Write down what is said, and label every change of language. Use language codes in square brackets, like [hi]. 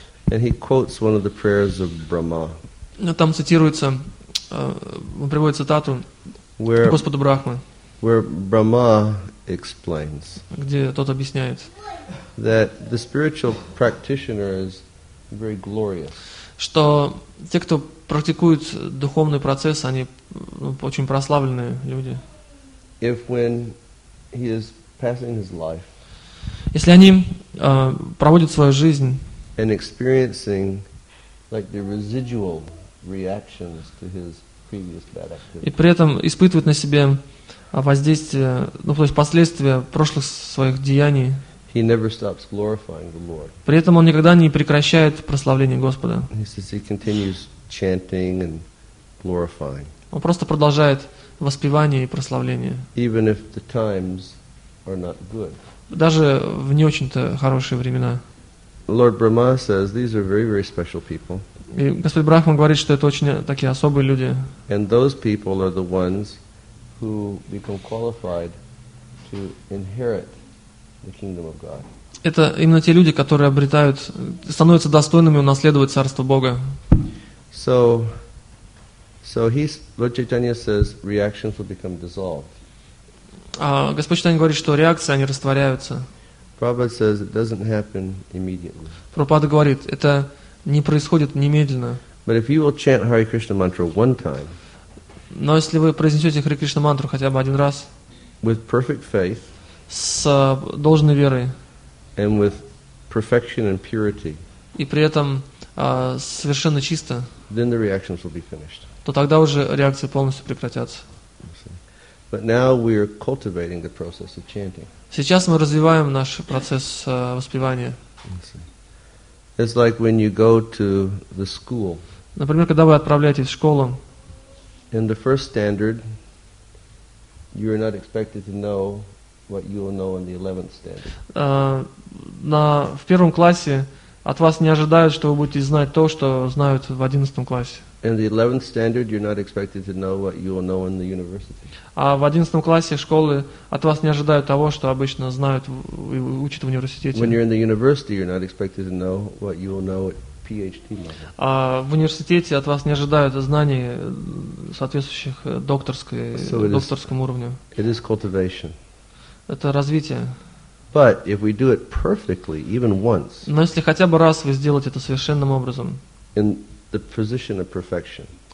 [en] And he quotes one of the prayers of Brahma. [ru] Но там цитируется, приводит цитату Господа Брахмы. [en] Where Brahma explains. [ru] Где тот объясняет. [en] That the spiritual practitioner is very glorious. [ru] Что те, кто практикуют духовный процесс, они очень прославленные люди. [en] If when he is passing his life, [ru] если они проводят свою жизнь [en] and experiencing, like, the residual reactions to his previous bad activities, [ru] и при этом испытывают на себе воздействие, ну, то есть последствия прошлых своих деяний, [en] he never stops glorifying the Lord. [ru] При этом он никогда не прекращает прославление Господа. [en] He says he continues chanting and glorifying. [ru] Он просто продолжает воспевание и прославление. [en] Even if the times are not good. [ru] Даже в не очень-то хорошие времена. [en] Lord Brahma says these are very, very special people. [ru] И Господь Брахма говорит, что это очень такие особые люди. [en] And those people are the ones who become qualified to inherit the kingdom of God. [ru] Это именно те люди, которые обретают, становятся достойными унаследовать царство Бога. [en] So he's, Lord Chaitanya says reactions will become dissolved. [ru] Господь Чайтанья говорит, что реакции они растворяются. [en] Prabhupada says it doesn't happen immediately. [ru] Прабхупада говорит, это не происходит немедленно. [en] But if you will chant Hare Krishna mantra one time. [ru] Но если вы произнесете Hare Krishna mantra хотя бы один раз. [en] With perfect faith. [ru] С должной верой. [en] And with perfection and purity. [ru] И при этом совершенно чисто. [en] Then the reactions will be finished. [ru] То тогда уже реакции полностью прекратятся. [en] But now we are cultivating the process of chanting. [ru] Сейчас мы развиваем наш процесс воспевания. [en] It's like when you go to the school. [ru] Например, когда вы отправляетесь в школу. [en] In the first standard, you are not expected to know what you will know in the 11th standard. [ru] В первом классе от вас не ожидают, что вы будете знать то, что знают в 11 классе. [en] In the 11th standard, you're not expected to know what you will know in the university. [ru] А в 11 классе школы от вас не ожидают того, что обычно знают и учат в университете. [en] When you're in the university, you're not expected to know what you will know at PhD level. [ru] А в университете от вас не ожидают знаний, соответствующих докторскому уровню. [en] It is cultivation. [ru] Это развитие. [en] But if we do it perfectly, even once, [ru] но если хотя бы раз вы сделаете это совершенным образом, [en] in the position of perfection,